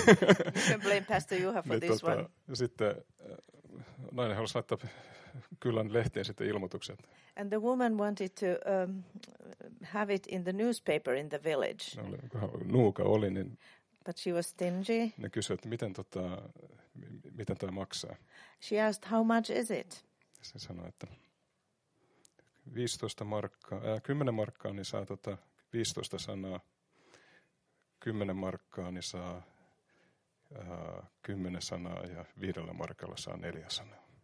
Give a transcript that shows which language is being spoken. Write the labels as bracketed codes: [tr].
[en] You can blame pastor Juha for this one. [fi] Sitten nainen halusi laittaa kylän lehteen sitten ilmoitukset. [en] And the woman wanted to have it in the newspaper in the village. [fi] Nuuka oli, niin [en] but she was stingy. [fi] Ne kysyivät, miten miten tämä maksaa. [en] She asked, how much is it? [fi] Se sanoi, että 15 markkaa, 10 markkaa, niin saa 15 sanaa. 10 markkaa, niin saa 10 sanaa ja 5 markalla saa 4 sanaa.